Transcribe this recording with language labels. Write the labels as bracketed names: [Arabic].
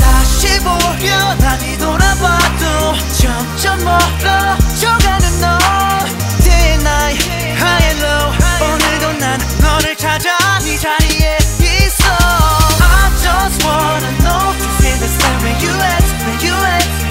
[Korean] 다시 보려 다 뒤돌아봐도 점점 멀어져가는 너. [English] Day and night, high and low. [Korean] 오늘도 난 너를 찾아 네 자리에 있어. [English] I just wanna know if you feel the same way you at, where you at.